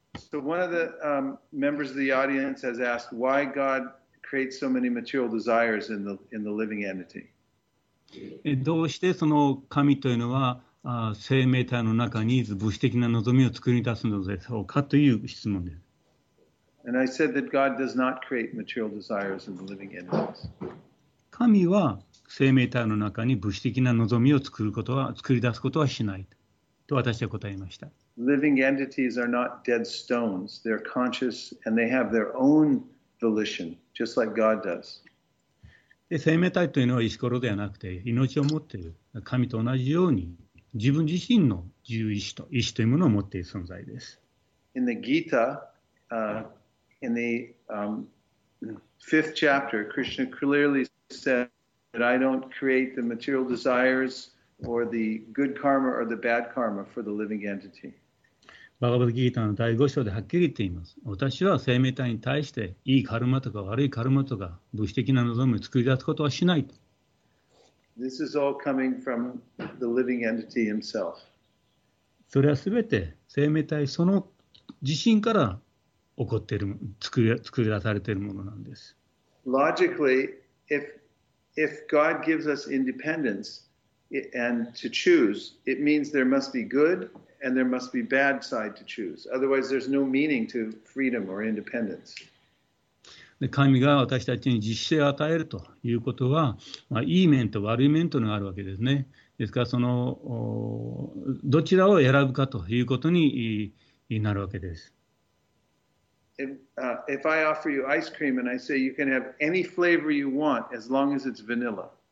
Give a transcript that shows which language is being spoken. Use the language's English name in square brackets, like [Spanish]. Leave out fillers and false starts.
[English] So one of the members of the audience has asked why God creates so many material desires in the living entity. [Japanese] どうしてその神というのは生命体の中に物質的な望みを作り出すのでしょうかという質問です。 [English] And I said that God does not create material desires in the living entities. [Japanese] 神は生命体の中に物質的な望みを作り出すことはしないと私は答えました。 [English] Living entities are not dead stones. They're conscious and they have their own volition, just like God does. [Japanese] で、生命体というのは石ころではなくて命を持っている。神と同じように自分自身の自由意志というものを持っている存在です。 [English] In the Gita, In the fifth chapter, Krishna clearly said that I don't create the material desires or the good karma or the bad karma for the living entity. [Japanese] バガヴァッド・ギータの第5章ではっきり言っています。私は生命体に対していいカルマとか悪いカルマとか物質的な望みを作り出すことはしないと。 [English] This is all coming from the living entity himself. [Japanese] それはすべて生命体その自身から起こっている作り出されているものなんです。 [English] Logically, if God gives us independence and to choose, it means there must be good and there must be bad side to choose. Otherwise, there's no meaning to freedom or independence. [Japanese] で、神が私たちに自主性を与えるということは、まあ、いい面と悪い面というのがあるわけですね。ですから、そのどちらを選ぶかということになるわけです。 [English] If I offer you ice cream and I say you can have any flavor you want as long as it's vanilla.